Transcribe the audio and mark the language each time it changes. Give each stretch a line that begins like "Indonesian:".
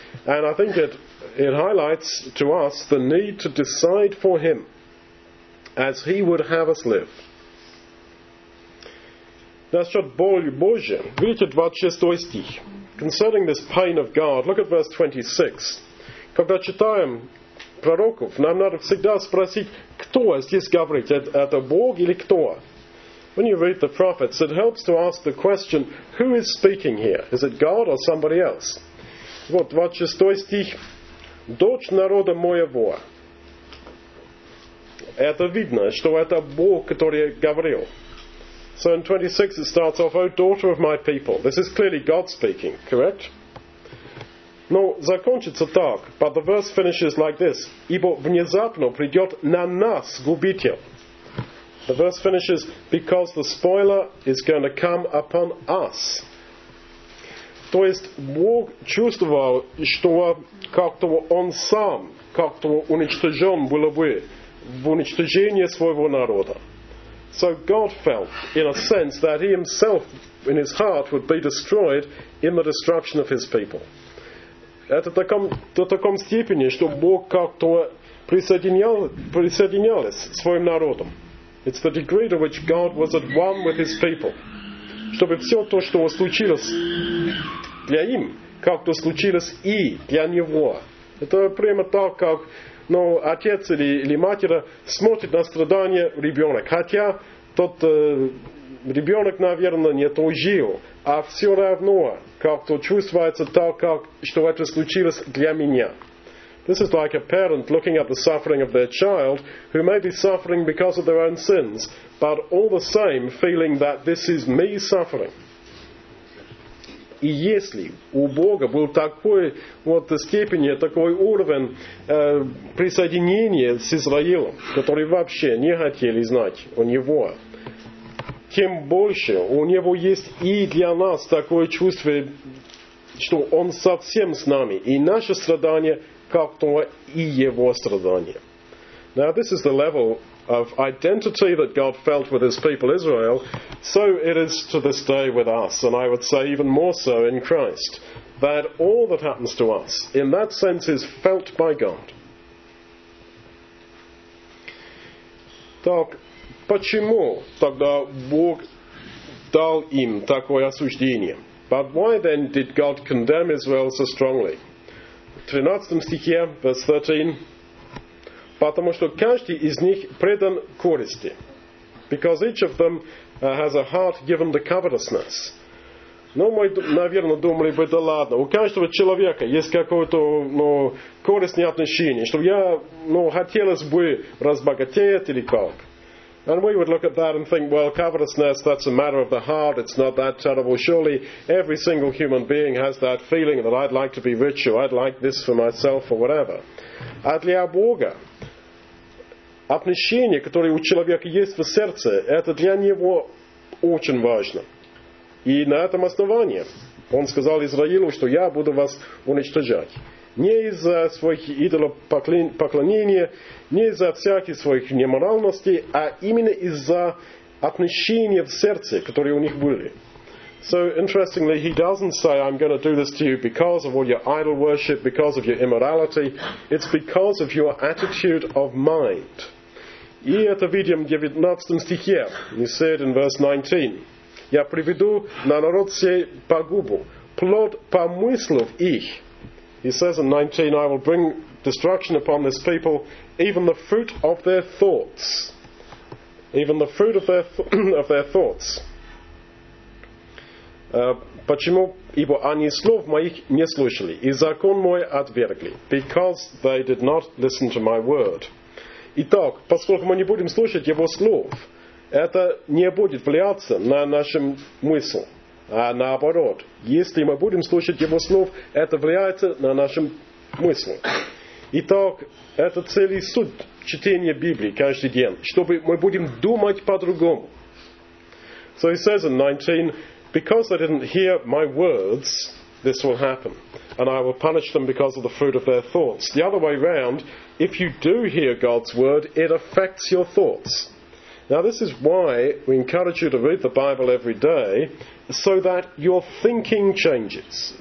English: And I think it highlights to us the need to decide for Him as He would have us live.
Russian: Насчет боли Божьей. Видите, 26 стих.
English: Concerning this pain of God, look at verse 26.
Russian: Когда читаем пророков, нам надо всегда спросить, кто здесь говорит, это Бог или кто?
English: When you read the prophets, it helps to ask the question, who is speaking here? Is it God or somebody else?
Russian: Вот, 26 стих. Дочь народа моего. Это видно, что это Бог, который говорил.
English: So in 26 it starts off, O daughter of my people. This is clearly God speaking, correct?
Russian: Но закончится так,
English: but the verse finishes like this.
Russian: Ибо внезапно придет на нас губитель.
English: The verse finishes, because the spoiler is going to come upon us.
Russian: То есть Бог чувствовал, что как-то он сам, как-то уничтожен было бы в уничтожении своего народа.
English: So God felt, in a sense, that he himself, in his heart, would be destroyed in the destruction of his people.
Russian: Это до таком степени, что Бог как-то присоединялся с своим народом.
English: It's the degree to which God was at one with his people.
Russian: Чтобы все то, что случилось для им, как-то случилось и для него. Это прямо так, как... Но отец или матери смотрит на страдания ребенка. Хотя тот ребенок, наверное, не то жил. А все равно как-то чувствуется так, как, что это случилось для меня.
English: This is like a parent looking at the suffering of their child who may be suffering because of their own sins, but all the same feeling that this is me suffering.
Russian: И если у Бога был такой вот степень, такой уровень присоединения с Израилем, который вообще не хотели знать о Него, тем больше у Него есть и для нас такое чувство, что Он совсем с нами, и наше страдание как-то и Его страдание.
English: Now this is the level of identity that God felt with his people Israel, so it is to this day with us, and I would say even more so in Christ, that all that happens to us, in that sense, is felt by God.
Russian: Так, почему тогда Бог дал им такое осуждение?
English: But why then did God condemn Israel so strongly?
Russian: 13 стихе,
English: verse 13,
Russian: потому что каждый из них предан корысти.
English: Because each of them has a heart given to covetousness.
Russian: Но мы, наверное, думали бы, да ладно, у каждого человека есть какое-то корыстное отношение, что я, хотелось бы разбогатеть или как.
English: And we would look at that and think, well, covetousness, that's a matter of the heart, it's not that terrible. Surely every single human being has that feeling that I'd like to be rich or I'd like this for myself or whatever.
Russian: А для Бога, отношение, которое у человека есть в сердце, это для него очень важно. И на этом основании он сказал Израилю, что я буду вас уничтожать. Не из-за своих идолопоклонения, не из-за всяких своих неморальностей, а именно из-за отношения в сердце, которые у них были.
English: So interestingly, he doesn't say, I'm going to do this to you because of all your idol worship, because of your immorality. It's because of your attitude of mind.
Russian: И это видим в 19 стихе.
English: You see it in verse 19.
Russian: Я приведу на народ сей погубу. Плод помыслов их.
English: He says in 19, I will bring destruction upon this people, even the fruit of their thoughts. Even the fruit of their of their thoughts.
Russian: Почему? Ибо они слов моих не слушали, и закон мой отвергли.
English: Because they did not listen to my word.
Russian: Итак, поскольку мы не будем слушать его слов, это не будет влияться на нашу мысль. А наоборот, если мы будем слушать его слов, это влияет на нашу мысль. Итак, это цель и суть чтения Библии каждый день, чтобы мы будем думать по-другому.
English: So he says in 19, because they didn't hear my words, this will happen, and I will punish them because of the fruit of their thoughts. The other way round, if you do hear God's word, it affects your thoughts. Now this is why we encourage you to read the Bible every day, so that your thinking changes.